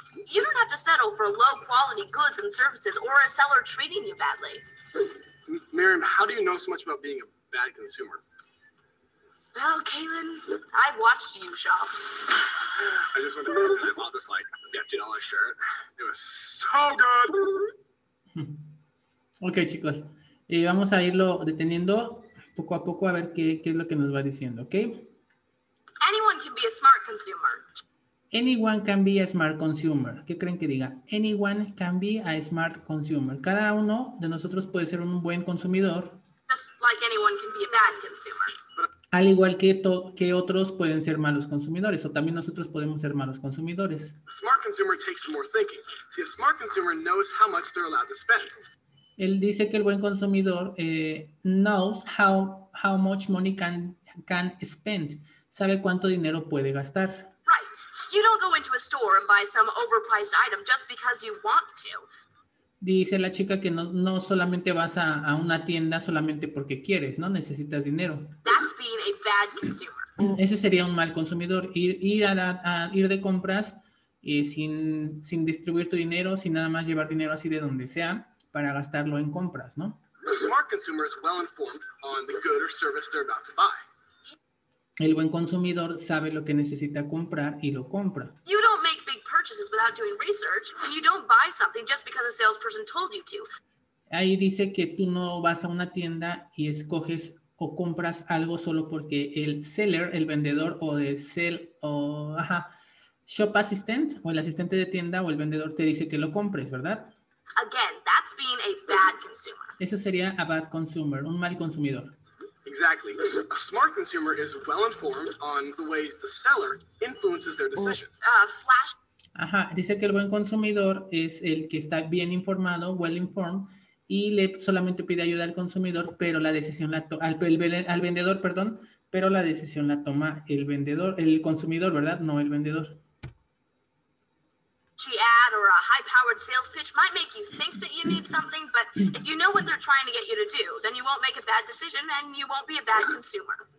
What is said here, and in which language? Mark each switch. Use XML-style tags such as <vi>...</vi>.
<en>You don't have to settle for low-quality goods and services or a seller treating you badly. Miriam, how do you know so much about being a bad consumer? Well, Kaylin, I watched you shop. I just went to bed and I bought this, like, $50 shirt. It was so good!</en> <es>Ok, chicos. Vamos a irlo deteniendo poco a poco a ver qué es lo que nos va diciendo, ¿ok?</es> <en>Anyone can be a smart consumer. Anyone can be a smart consumer.</en> <es>¿Qué creen que diga?</es> <en>Anyone can be a smart consumer.</en> <es>Cada uno de nosotros puede ser un buen consumidor.</es> <en>Just like anyone can be a bad consumer.</en> <es>Al igual que otros pueden ser malos consumidores, o también nosotros podemos ser malos consumidores.</es> <en>A smart consumer takes more thinking. See, a smart consumer knows how much they're allowed to spend.</en> <es>Él dice que el buen consumidor</es> <en>knows how much money can spend.</en> <es>Sabe cuánto dinero puede gastar.</es> <en>You don't go into a store and buy some overpriced item just because you want to.</en> <es>Dice la chica que no solamente vas a una tienda solamente porque quieres, ¿no? Necesitas dinero.</es> <en>That's being a bad consumer.</en> <es>Ese sería un mal consumidor. Ir de compras sin distribuir tu dinero, sin nada más llevar dinero así de donde sea para gastarlo en compras, ¿no?</es> <en>A smart consumer is well informed on the good or service they're about to buy.</en> <es>El buen consumidor sabe lo que necesita comprar y lo compra.</es> <en>You don't make big purchases without doing research, and you don't buy something just because a salesperson told you to.</en> <es>Ahí dice que tú no vas a una tienda y escoges o compras algo solo porque el seller, el vendedor o de sell o ajá, shop assistant o el asistente de tienda o el vendedor te dice que lo compres, ¿verdad?</es> <en>Again, that's being a bad consumer.</en> <es>Eso sería</es> <en>a bad consumer,</en> <es>un mal consumidor.</es> <en>Exactly. A smart consumer is well informed on the ways the seller influences their decision.</en> <es>Ajá, dice que el buen consumidor es el que está bien informado,</es> <en>well informed,</en> <es>y le solamente pide ayuda al consumidor, pero la decisión la toma el vendedor, el consumidor, ¿verdad? No el vendedor.</es> <en>Ad or a high-powered sales pitch might make you think that you need something, but if you know what they're trying to get you to do, then you won't make a bad decision and you won't be a bad consumer.</en>